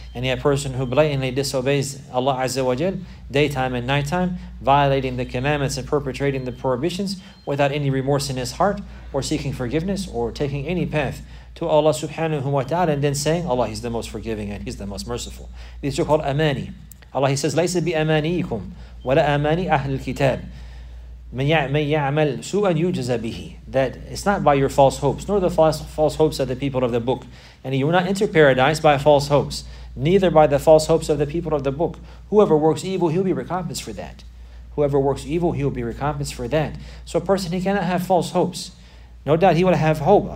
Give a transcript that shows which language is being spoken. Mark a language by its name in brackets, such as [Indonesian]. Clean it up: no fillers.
[English] And yet a person who blatantly disobeys Allah Azza wa Jal, daytime and nighttime, violating the commandments and perpetrating the prohibitions without any remorse in his heart or seeking forgiveness or taking any path to Allah subhanahu wa ta'ala, and then saying, Allah, he's the most forgiving and he's the most merciful. These are called amani. Allah, he says, [Arabic] لَيْسَ بِأَمَانِيكُمْ وَلَا أَمَانِ أَهْلِ الْكِتَابِ مَنْ يَعْمَلْ سُوءًا يُجْزَ بِهِ. [English] That it's not by your false hopes, nor the false hopes of the people of the book. And you will not enter paradise by false hopes, neither by the false hopes of the people of the book. Whoever works evil, he'll be recompensed for that. Whoever works evil, he'll be recompensed for that. So a person, he cannot have false hopes. No doubt he will have hope.